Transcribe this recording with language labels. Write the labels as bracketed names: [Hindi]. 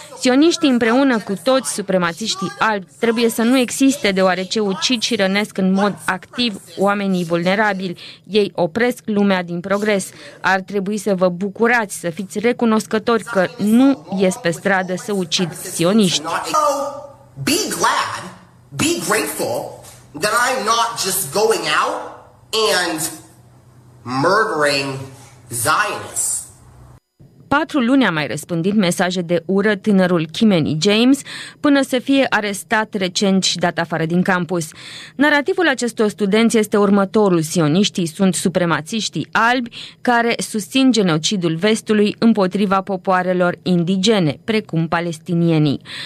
[Romanian] Sioniștii împreună cu toți supremaciștii albi trebuie să nu existe, deoarece ucid și rănesc în mod activ oamenii vulnerabili. Ei opresc lumea din progres. Ar trebui să vă bucurați, să fiți recunoscători că nu ies pe stradă să ucid sioniști. [English] Be glad, be grateful that I'm not just going out and murdering Zionists. [Romanian] 4 luni a mai răspândit mesaje de ură tânărul Kimeny James până să fie arestat recent și dat afară din campus. Narativul acestor studenți este următorul: sioniștii sunt supremaciștii albi care susțin genocidul vestului împotriva popoarelor indigene, precum palestinienii.